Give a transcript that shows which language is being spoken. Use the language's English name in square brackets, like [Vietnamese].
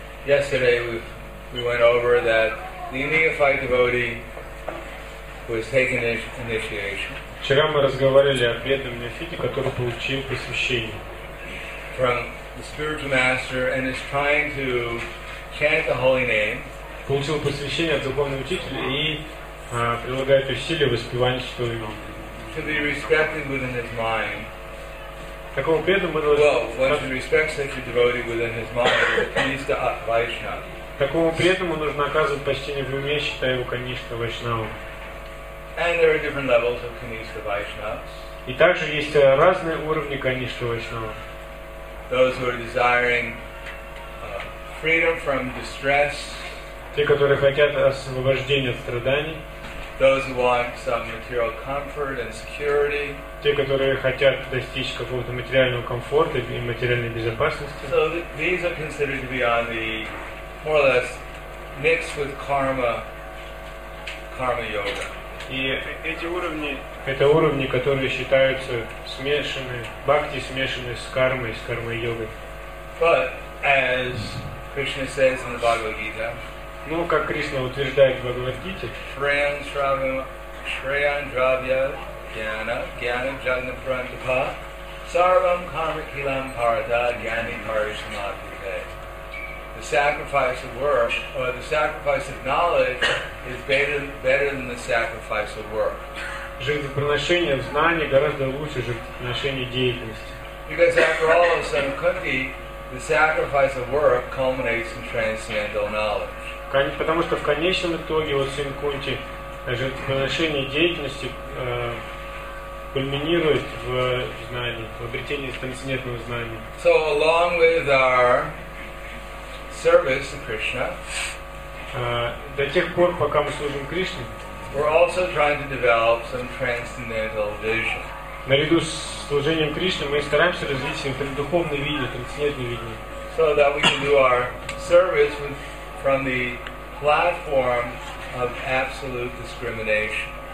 [English] yesterday we went over that the neophyte devotee was taking initiation. [Russian] Вчера мы разговаривали о преданном неофите, который получил посвящение. [English] From the spiritual master and is trying to chant the holy name. [Russian] Получил посвящение от духовного учителя и прилагает усилия в воспевании святого имени. [English] To be respected within his mind. [Russian] Такому преданному нужно оказывать почтение в уме, считая его конечным вайшнавом. [English] And there are different levels of Kanishka Vaishnavas. [Russian] И также есть разные уровни Kanishka Vaishnava. [English] Those who are desiring freedom from distress. [Russian] Те, которые хотят освобождения от страданий. [English] Those who want some material comfort and security. [Russian] Те, которые хотят достичь какого-то материального комфорта и материальной безопасности. [English] So these are considered to be on the more or less mixed with karma, karma yoga. [Russian] И эти уровни, это уровни, которые считаются смешанные, бхакти смешанные с кармой, с кармой йогой. [English] But as Krishna says in the Bhagavad Gita, [Russian] ну как Кришна утверждает в Бхагавад Гите, [Sanskrit] Shreyan Shravya, Shreyan Dravya, Jnana, Jnana Jagna Prantapa, Sarvam Karma Kilam Parada, Jnani Parishamadhyate. [English] The sacrifice of work, or the sacrifice of knowledge, is better than the sacrifice of work. [Russian] Жертвоприношение в знании гораздо лучше жертвоприношения деятельности. [English] Because after all, as Sankunti, the sacrifice of work culminates in transcendental knowledge. [Russian] Потому что в конечном итоге вот Сангхунти жертвоприношение деятельности кульминирует в знании, в обретении трансцендентного знания. [English] So along with our service to Krishna. [Russian] До тех пор, пока мы служим Кришне, [English] we're also trying to develop some transcendental vision. [Russian] Наряду с служением Кришне мы стараемся развить свое духовное видение, трансцендентное видение. [English] So that we can do our service with, from the platform of absolute discrimination.